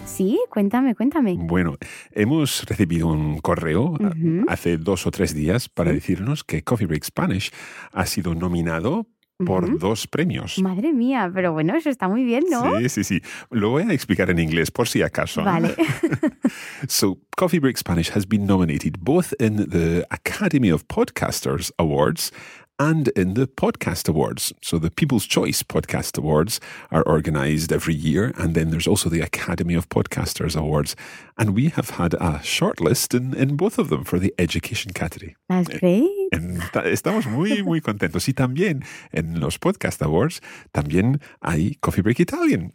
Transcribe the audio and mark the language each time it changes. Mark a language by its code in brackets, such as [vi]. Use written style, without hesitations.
[es] Sí, cuéntame. Bueno, hemos recibido un correo hace 2 o 3 días para decirnos que Coffee Break Spanish ha sido nominado por 2 premios. Madre mía, pero bueno, eso está muy bien, ¿no? Sí, sí, sí. Lo voy a explicar en inglés por si acaso. Vale. [en] So, Coffee Break Spanish has been nominated both in the Academy of Podcasters Awards and in the Podcast Awards. So the People's Choice Podcast Awards are organized every year. And then there's also the Academy of Podcasters Awards. And we have had a shortlist in both of them for the education category. That's great. [es] Estamos muy, muy contentos. Y también en los Podcast Awards también hay Coffee Break Italian.